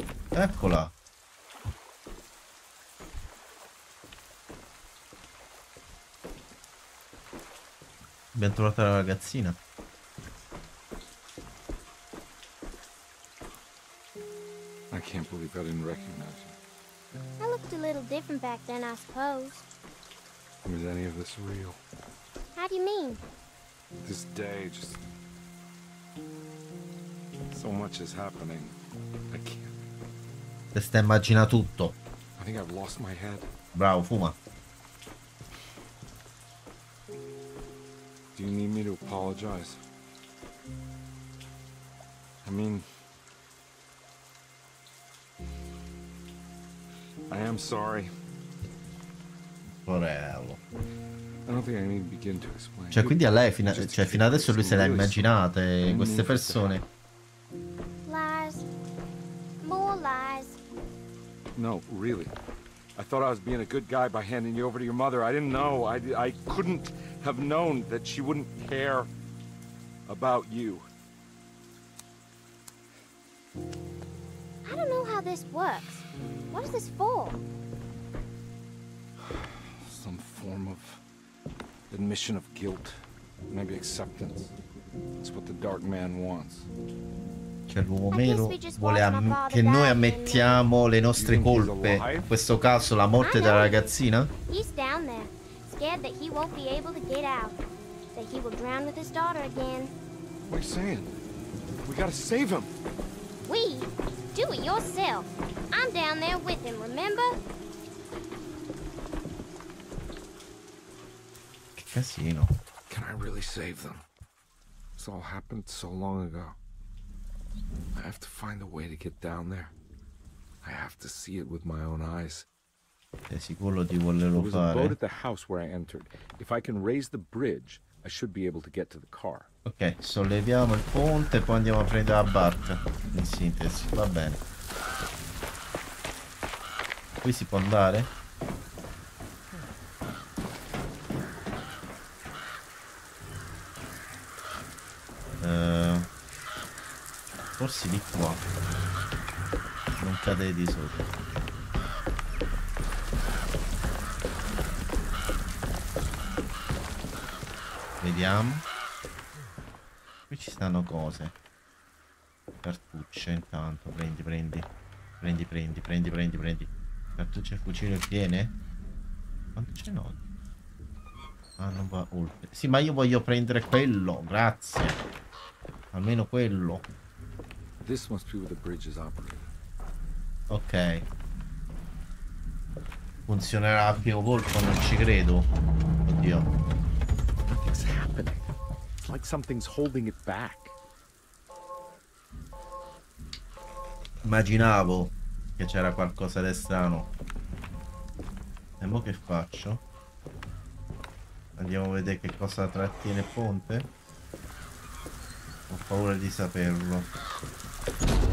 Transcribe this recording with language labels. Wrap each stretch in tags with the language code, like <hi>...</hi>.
<it>Eccola! Abbiamo trovato la ragazzina.</it> <en>I can't believe I didn't recognize her. I looked a little different back then, I suppose. Is any of this real? How do you mean? This day just... so much is happening. I can't...</en> <it>Te sta immagina tutto.</it> <en>I think I've lost my head.</en> <it>Bravo, fuma.</it> <en>Do you need me to apologize? I mean... I am sorry.</en> <it>Porello.</it> <en>I don't think I need to begin to explain.</en> <it>Cioè, quindi a lei, fino adesso lui se l'ha immaginate, queste persone.</it> <en>Lies. More lies. No, really. I thought I was being a good guy by handing you over to your mother. I didn't know. I couldn't have known that she wouldn't care about you. I don't know how this works. What is this for? Some form of admission of guilt. Maybe acceptance. That's what the dark man wants.</en> <it>Che l'uomo nero vuole che noi ammettiamo le nostre colpe. In questo caso la morte della ragazzina.</it> <en>He's down there, scared that he won't be able to get out. That he will drown with his daughter again. What are you saying? We gotta save him. We? Do it yourself. I'm down there with him, remember?</en> <it>Che casino.</it> <en>Can I really save them? This all happened so long ago. I have to find a way to get down there. I have to see it with my own eyes.</en> <it>È sicuro di volerlo fare.</it> <en>There was a boat at the house where I entered. If I can raise the bridge, I should be able to get to the car.</en> <it>Ok, solleviamo il ponte e poi andiamo a prendere la barca. In sintesi, va bene. Qui si può andare? Forse di qua. Non cadere di sotto. Vediamo. Qui ci stanno cose. Cartucce intanto. Prendi, prendi. Prendi, prendi, prendi, prendi, prendi. Cartucce e fucile piene? Quanto ce n'ho? Ah, non va oltre. Sì, ma io voglio prendere quello. Grazie. Almeno quello.</it> <en>This must be where the bridge is operating. Ok.</en> <it>Funzionerà a primo colpo, non ci credo. Oddio.</it> <en>Nothing's happening. It's like something's holding it back.</en> <it>Immaginavo che c'era qualcosa di strano. E mo che faccio? Andiamo a vedere che cosa trattiene il ponte. Ho paura di saperlo.</it>